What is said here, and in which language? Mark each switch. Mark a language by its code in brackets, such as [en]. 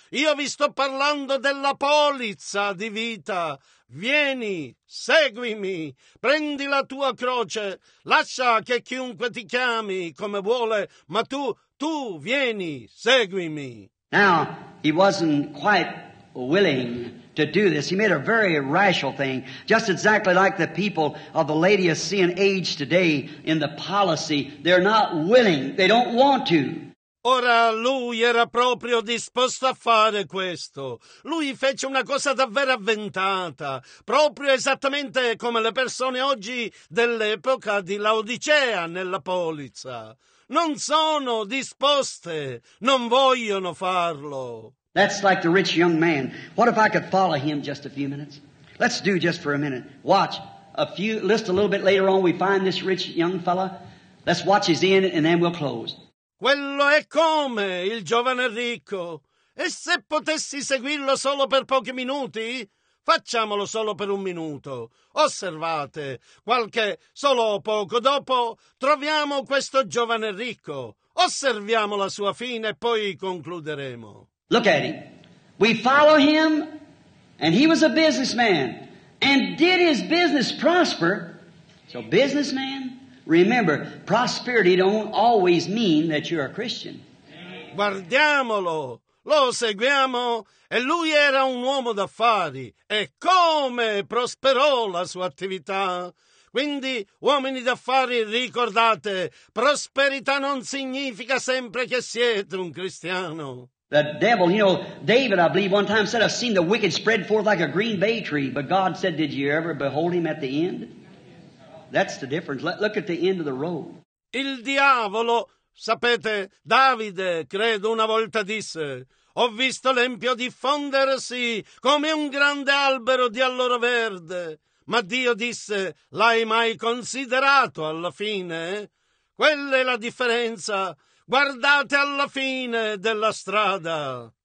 [it] Io vi sto parlando della polizza di vita. Vieni, seguimi, prendi la tua croce, lascia che chiunque ti chiami come vuole, ma tu vieni, seguimi. [en] Now, he wasn't quite willing to do this. He made a very rational thing, just exactly like the people of the Laodicean age today in the policy. They're not willing, they don't want to. [it] Ora lui era proprio disposto a fare questo. Lui fece una cosa davvero avventata, proprio esattamente come le persone oggi dell'epoca di Laodicea nella polizza. Non sono disposte, non vogliono farlo. [en] That's like the rich young man. What if I could follow him just a few minutes? Let's do just for a minute. Watch. A little bit later on, we find this rich young fella. Let's watch his end and then we'll close. [it] Quello è come il giovane ricco. E se potessi seguirlo solo per pochi minuti? Facciamolo solo per un minuto. Osservate, solo poco dopo troviamo questo giovane ricco. Osserviamo la sua fine e poi concluderemo. [en] Look at him. We follow him and he was a businessman and did his business prosper. So businessman, remember, prosperity don't always mean that you're a Christian. [it] Guardiamolo. Lo seguiamo e lui era un uomo d'affari e come prosperò la sua attività. Quindi, uomini d'affari, ricordate, prosperità non significa sempre che siete un cristiano. [en] The devil, you know, David, I believe, one time said, I've seen the wicked spread forth like a green bay tree. But God said, did you ever behold him at the end? That's the difference. Look at the end of the road. [it] Il diavolo, sapete, Davide, credo, una volta disse, ho visto l'empio diffondersi come un grande albero di alloro verde. Ma Dio disse, l'hai mai considerato alla fine? Quella è la differenza. Guardate alla fine della strada.